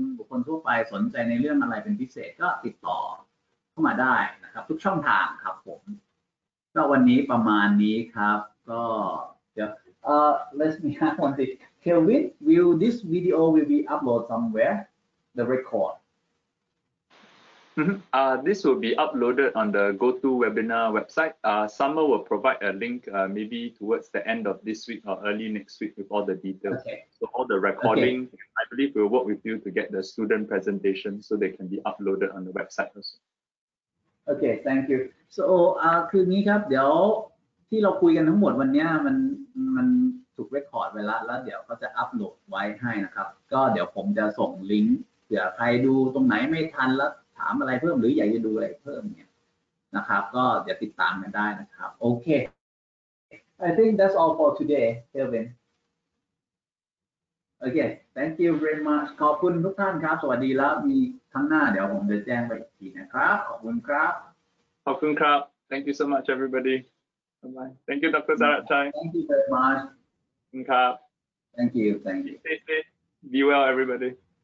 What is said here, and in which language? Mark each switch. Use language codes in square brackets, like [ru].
[th] คนทั่วไปสนใจในเรื่องอะไรเป็นพิเศษก็ติดต่อมาได้นะครับทุกช่องทางครับผมก็วันนี้ประมาณนี้ครับก็เดี๋ยว [en] let me have one thing Kelvin will this video will be upload somewhere the record this will be uploaded on the GoToWebinar website Summer will provide a link maybe towards the end of this week or early next week with all the details okay. so all the recording okay. I believe we'll work with you to get the student presentation so they can be uploaded on the website also [th] โอเค [en] thank you so [th] คืองี้ครับเดี๋ยวที่เราคุยกันทั้งหมดวันนี้มันถูกเรคคอร์ดไว้แล้วแล้วเดี๋ยวก็จะอัปโหลดไว้ให้นะครับก็เดี๋ยวผมจะส่งลิงก์เผื่อใครดูตรงไหนไม่ทันแล้วถามอะไรเพิ่มหรืออยากจะดูอะไรเพิ่มเนี่ยนะครับก็เดี๋ยวติดตามกันได้นะครับโอเค [en] I think that's all for today Kelvin okay thank you very much [th] ขอบคุณทุกท่านครับสวัสดีแล้วมีครั้งหน้าเดี๋ยวผมจะแจ้งไปอีกทีนะครับขอบคุณครับ ขอบคุณครับ [en] Thank you so much everybody Bye bye Thank you Dr. Sarath Chai Thank you very much [th] ครับ [en] Thank you Be safe Be well everybody